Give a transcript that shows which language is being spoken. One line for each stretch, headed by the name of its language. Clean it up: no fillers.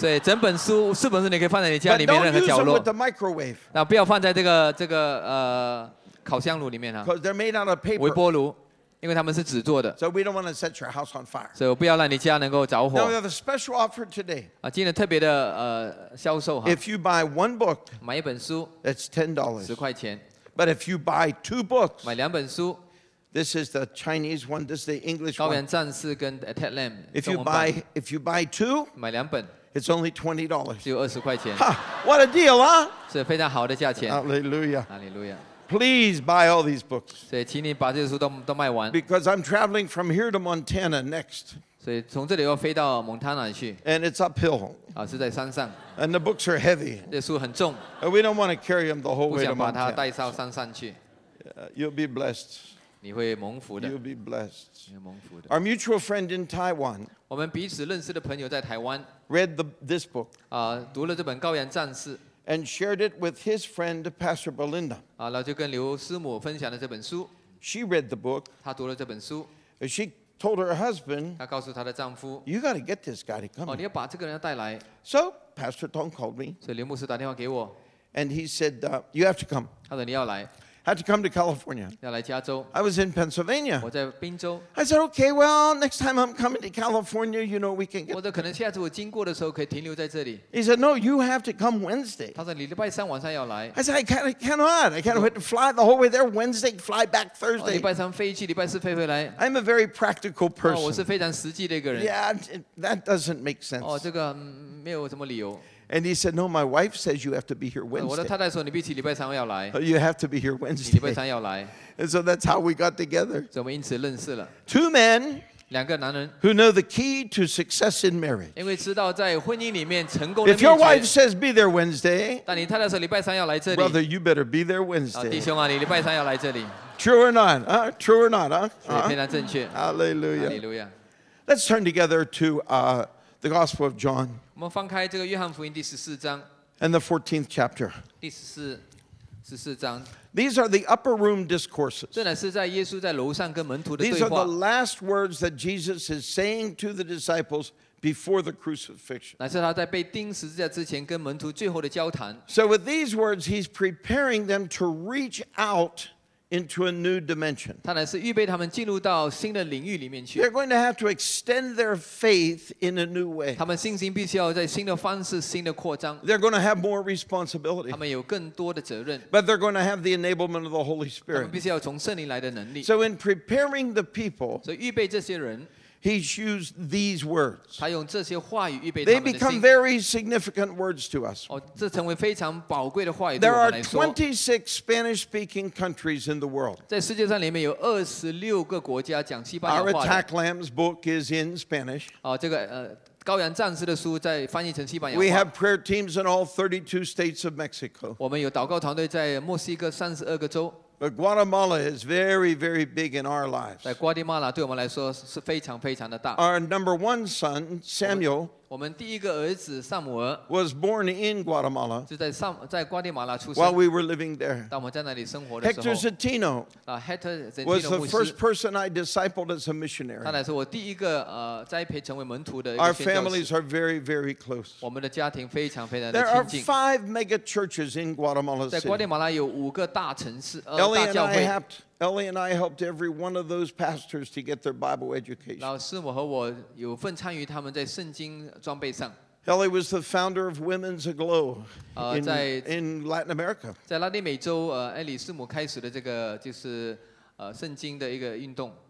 Chinese: 所以，整本书四本书你可以放在你家里面任何角落。
English: But don't use them with the microwave.
Chinese: 那不要放在这个烤箱炉里面啊。
English: Because they're made out of paper.
Chinese: 微波炉。因为他们是纸做的。
English: So we don't want to set your house on fire.
Chinese: 所以不要让你家能够着火。
English: Now we have a special offer today.
Chinese: 今天特别的销售哈。
English: If you buy one book,
Chinese: 买一本书
English: it's $10.
Chinese: 十块钱。
English: But if you buy two books,
Chinese: 买两本书
English: this is the Chinese one, this is the English one.
Chinese: 高原战士跟 Ted Lam 中文版。
English: If you buy two,
Chinese: 买两本。
English: It's only $20.
Chinese: 只有二十块钱。
English: What a deal, huh?
Chinese: 是非常好的价钱。
English: Hallelujah. Hallelujah. Please buy all these books.
Chinese: 所以请你把这些书都卖完。
English: Because I'm traveling from here to Montana next.
Chinese: 所以从这里要飞到蒙大拿去。
English: And it's uphill.
Chinese: 是在山上。
English: And the books are heavy.
Chinese: 这书很重。
English: And we don't want to carry them the whole way to Montana.
Chinese: 不想把它带到山上去。
English: You'll be blessed.
Chinese: 你会蒙福的。
English: You'll be blessed.
Chinese: 你会蒙福的。
English: Our mutual friend in Taiwan.
Chinese: 我们彼此认识的朋友在台湾。
English: Read this book.
Chinese: 读了这本《高原战士》。
English: And shared it with his friend, Pastor Belinda.
Chinese: 然后就跟刘师母分享了这本书。
English: She read the book.
Chinese: 她读了这本书。
English: She told her husband.
Chinese: 她告诉她的丈夫。
English: You got to get this guy to come.
Chinese: 你要把这个人带来。
English: So Pastor Tong called me.
Chinese: 所以刘牧师打电话给我。
English: And he said, "You have to come."
Chinese: 他说你要来。
English: Had to come to California.
Chinese: 要来加州。
English: I was in Pennsylvania.
Chinese: 我在宾州。
English: I said, "Okay, well, next time I'm coming to California, you know, we can get."
Chinese: 或者可能下次我经过的时候可以停留在这里。
English: He said, "No, you have to come Wednesday."
Chinese: 他说你礼拜三晚上要来。
English: I said, "I cannot. I can't wait to fly the whole way there Wednesday, fly back Thursday."
Chinese: 礼拜三飞去，礼拜四飞回来。
English: I'm a very practical person.
Chinese: 我是非常实际的一个人。
English: Yeah, that doesn't make sense.
Chinese: 这个没有什么理由。
English: And he said, "No, my wife says you have to be here Wednesday."
Chinese: 我的太太说你必须礼拜三要来。
English: You have to be here Wednesday.
Chinese: 礼拜三要来。
English: And so that's how we got together.
Chinese: 我们因此认识了。
English: Two men,
Chinese: 两个男人
English: who know the key to success in marriage.
Chinese: 因为知道在婚姻里面成功的秘诀。
English: If your wife says be there Wednesday,
Chinese: 但你太太说礼拜三要来这里。
English: Brother, you better be there Wednesday.
Chinese: 弟兄啊，你礼拜三要来这里。
English: True or not? True or not?
Chinese: 非常正确。
English: Hallelujah. Hallelujah. Let's turn together to the Gospel of John.
Chinese: 我们翻开这个约翰福音第十四章
English: and the 14th chapter.
Chinese: 第十四章
English: These are the upper room discourses.
Chinese: 这乃是在耶稣在楼上跟门徒的对话
English: These are the last words that Jesus is saying to the disciples before the crucifixion.
Chinese: 乃是他在被钉十字架之前跟门徒最后的交谈
English: So with these words, he's preparing them to reach out into a new dimension.
Chinese: 他乃是预备他们进入到新的领域里面去。
English: They're going to have to extend their faith in a new way.
Chinese: 他们信心必须要在新的方式、新的扩张。
English: They're going to have more responsibility.
Chinese: 他们有更多的责任。
English: But they're going to have the enablement of the Holy Spirit.
Chinese: 他们必须要从圣灵来的能力。
English: So in preparing the people,
Chinese: 所以预备这些人。
English: He's used these words.
Chinese: 他用这些话语预备他们的。
English: They become very significant words to us.
Chinese: 这成为非常宝贵的话语。
English: There are 26 Spanish-speaking countries in the world.
Chinese: 在世界上里面有二十六个国家讲西班牙话。
English: Our Attack Lamb's book is in Spanish.
Chinese: 这个高原战士的书在翻译成西班牙话。
English: We have prayer teams in all 32 states of Mexico.
Chinese: 我们有祷告团队在墨西哥三十二个州。
English: But Guatemala is very, very big in our lives.
Chinese: 在瓜地马拉对我们来说是非常非常的大。
English: Our number one son, Samuel,
Chinese: 我们第一个儿子萨姆尔
English: was born in Guatemala.
Chinese: 就在瓜地马拉出生。
English: While we were living there,
Chinese: 当我们在那里生活的时候
English: ，Hector Zatino, Hector Zatino was the first person I discipled as a missionary.
Chinese: 他乃是我第一个栽培成为门徒的。
English: Our families are very, very close.
Chinese: 我们的家庭非常非常的亲近。
English: There are 5 mega churches in Guatemala City.
Chinese: 在瓜地马拉有五个大城市。
English: Ellie and I helped every one of those pastors to get their Bible education.
Chinese: 然后师母和我有份参与他们在圣经装备上。
English: Ellie was the founder of Women's Aglow in Latin America.
Chinese: 在拉丁美洲，艾里师母开始的这个就是圣经的一个运动。